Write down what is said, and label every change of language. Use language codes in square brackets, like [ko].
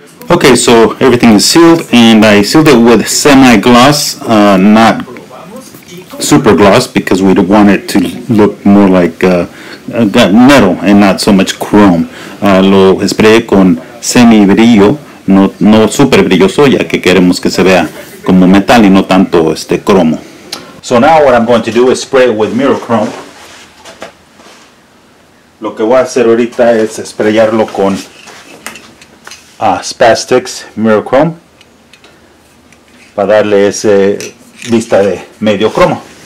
[en] Okay, so everything is sealed, and I sealed it with semi-gloss, not super gloss, because we'd want it to look more like metal and not so much chrome. [es] Lo esperé con semi-brillo, no super brilloso, ya que queremos que se vea como metal y no tanto este cromo. [en] So now what I'm going to do is spray it with mirror chrome. [es] Lo que voy a hacer ahorita es sprayarlo con Spastix Mirror Chrome para darle ese vista de medio cromo.